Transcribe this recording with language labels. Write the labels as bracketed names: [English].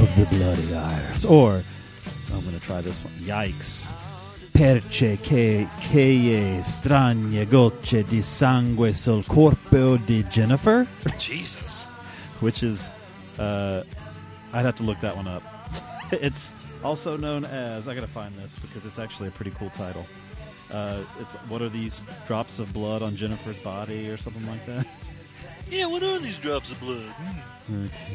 [English] Bloody Iris, or I'm gonna try this one. Yikes! [Italian] Perce che strane gocce di sangue sul corpo di Jennifer. [English] Jesus, which is, I'd have to look that one up. It's also known as, I gotta find this because it's actually a pretty cool title. It's, what are these drops of blood on Jennifer's body, or something like that? Yeah, what are these drops of blood?